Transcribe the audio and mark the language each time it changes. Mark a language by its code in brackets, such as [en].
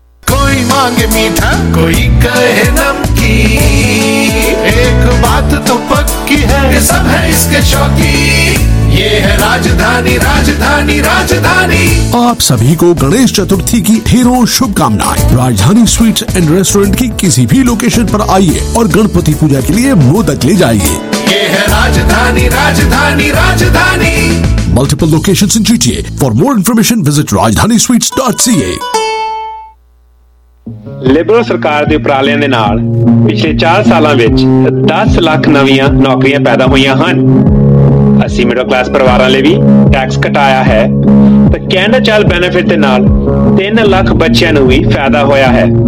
[hi] ਕੋਈ ਮੰਗ ਮੀਠਾ ਕੋਈ ਕਹੇ ਨਮਕੀ, ਇੱਕ ਬਾਤ ਤੋਂ ਪੱਕੀ ਹੈ ਕਿ ਸਭ ਹੈ ਇਸਕੇ ਸ਼ੌਕੀ। आप सभी को गणेश चतुर्थी की ढेरों शुभकामनाएं। राजधानी स्वीट्स एंड रेस्टोरेंट की किसी भी लोकेशन पर आइए और गणपति पूजा के लिए मोदक ले जाइए। ये है राजधानी राजधानी राजधानी। [en] Multiple locations in GTA। For more information visit rajdhanisweets.ca। [pa] Liberal ਸਰਕਾਰ ਦੇ ਉਪਰਾਲਿਆਂ ਦੇ ਨਾਲ ਪਿਛਲੇ 4 ਸਾਲਾਂ ਵਿੱਚ 10 ਲੱਖ ਨਵੀਆਂ ਨੌਕਰੀਆਂ ਪੈਦਾ ਹੋਈਆਂ ਹਨ। ਅਸੀਂ ਮਿਡਲ ਕਲਾਸ ਪਰਿਵਾਰਾਂ ਲਈ ਵੀ ਟੈਕਸ ਘਟਾਇਆ ਹੈ ਤੇ ਕੈਨੇਡਾ ਚਾਈਲਡ ਬੈਨੀਫਿਟ ਦੇ ਨਾਲ 3 ਲੱਖ ਬੱਚਿਆਂ ਨੂੰ ਵੀ ਫਾਇਦਾ ਹੋਇਆ ਹੈ।